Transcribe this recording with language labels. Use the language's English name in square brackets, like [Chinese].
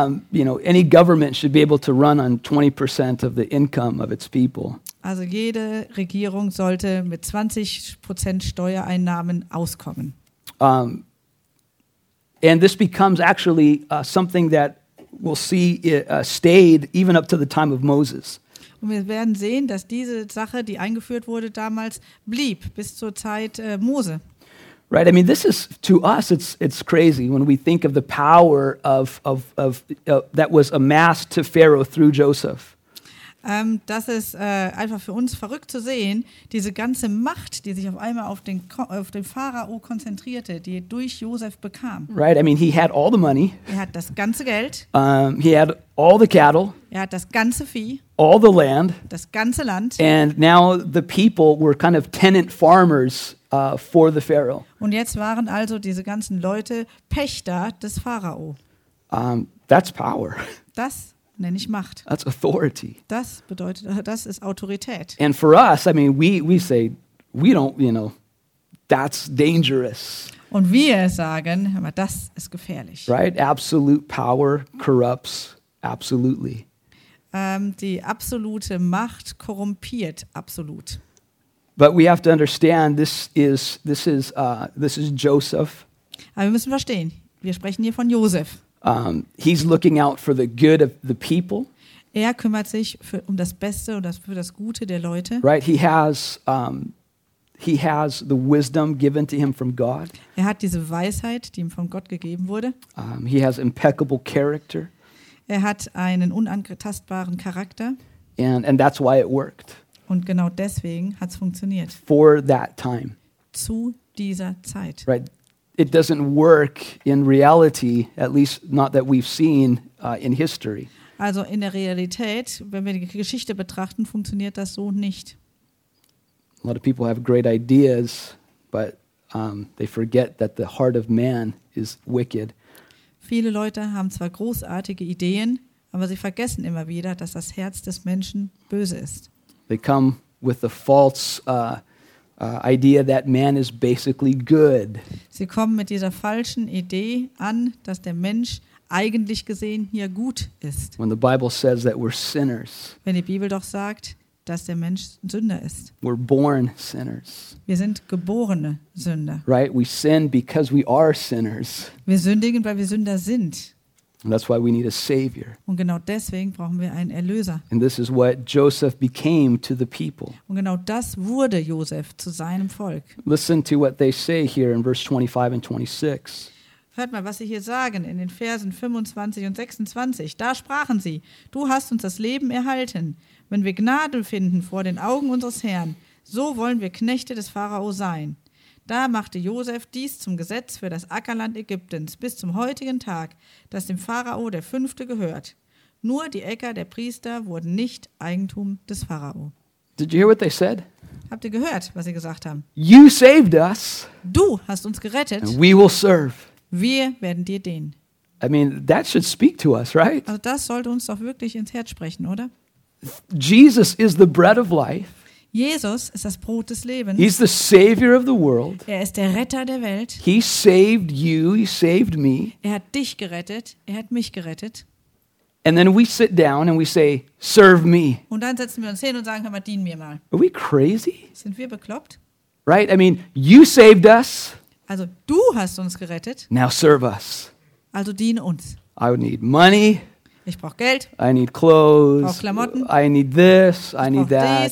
[English] You know, any government should be able to run on 20% of the income of its people. [German] Also jede Regierung sollte mit 20% Steuereinnahmen auskommen. [English] And this becomes actually something that we'll see stayed even up to the time of Moses. [German] Und wir werden sehen, dass diese Sache, die eingeführt wurde damals, blieb bis zur Zeit Mose. [English] Right, I mean, this is to us, it's crazy when we think of the power of that was amassed to Pharaoh through Joseph. [German] Das ist einfach für uns verrückt zu sehen, diese ganze Macht, die sich auf einmal auf den Pharao konzentrierte, die durch Josef bekam. [English] Right, I mean, he had all the money. [German] Er hat das ganze Geld. [English] He had all the cattle. [German] Er hat das ganze Vieh. [English] All the land. [German] Das ganze Land. [English] And now the people were kind of tenant farmers for the Pharaoh. [German] Und jetzt waren also diese ganzen Leute Pächter des Pharao. [English] That's power. [German] Das nenne ich Macht. [English] That's authority. [German] Das bedeutet, das ist Autorität. [English] And for us, I mean, we say, we don't, you know, that's dangerous. [German] Und wir sagen, aber das ist gefährlich. [English] Right? Absolute power corrupts absolutely. [German] Die absolute Macht korrumpiert absolut. [English] But we have to understand, this is Joseph. [German] Aber wir müssen verstehen, wir sprechen hier von Josef. [English] He's looking out for the good of the people. [German] Er kümmert sich um das Beste und für das Gute der Leute. [English] Right, he has the wisdom given to him from God. [German] Er hat diese Weisheit, die ihm von Gott gegeben wurde. [English] He has impeccable character. [German] Er hat einen unangetastbaren Charakter. [English] And that's why it worked. [German] Und genau deswegen hat es funktioniert. [English] For that time. [German] Zu dieser Zeit. [English] Right. It doesn't work in reality, at least not that we've seen in history. [German] Also in der Realität, wenn wir die Geschichte betrachten, funktioniert das so nicht. [English] A lot of people have great ideas, but they forget that the heart of man is wicked. [German] Viele Leute haben zwar großartige Ideen, aber sie vergessen immer wieder, dass das Herz des Menschen böse ist. [English] They come with the false idea that man is basically good. [German] Sie kommen mit dieser falschen Idee an, dass der Mensch eigentlich gesehen hier gut ist. [English] When the Bible says that we're sinners. [German] Wenn die Bibel doch sagt, dass der Mensch Sünder ist. [English] We're born sinners. [German] Wir sind geborene Sünder. [English] Right? We sin because we are sinners. [German] Wir sündigen, weil wir Sünder sind. [English] And that's why we need a savior. [German] Und genau deswegen brauchen wir einen Erlöser. [English] And this is what Joseph became to the people. [German] Und genau das wurde Joseph zu seinem Volk. [English] Listen to what they say here in verse 25 and 26. [German] Hört mal, was sie hier sagen in den Versen 25 und 26. Da sprachen sie: Du hast uns das Leben erhalten. Wenn wir Gnade finden vor den Augen unseres Herrn, so wollen wir Knechte des Pharao sein. Da machte Josef dies zum Gesetz für das Ackerland Ägyptens bis zum heutigen Tag, das dem Pharao der Fünfte gehört. Nur die Äcker der Priester wurden nicht Eigentum des Pharao. [English] Did you hear what they said? [German] Habt ihr gehört, was sie gesagt haben? [English] You saved us. [German] Du hast uns gerettet. [English] And we will serve. [German] Wir werden dir dienen. [English] I mean, that should speak to us, right? [German] Also das sollte uns doch wirklich ins Herz sprechen, oder? [English] Jesus is the bread of life. [German] Jesus ist das Brot des Lebens. [English] He's the savior of the world. [German] Er ist der Retter der Welt. [English] He saved you, he saved me. [German] Er hat dich gerettet, er hat mich gerettet. [English] And then we sit down and we say, serve me. [German] Und dann setzen wir uns hin und sagen, hör mal, dien mir mal. [English] Are we crazy? [German] Sind wir bekloppt? [English] Right? I mean, you saved us. [German] Also, du hast uns gerettet. [English] Now serve us. [German] Also dien uns. [English] I would need money. [German] Ich brauche Geld. [English] I need clothes. [German] Brauch Klamotten. [English] I need this. I need that.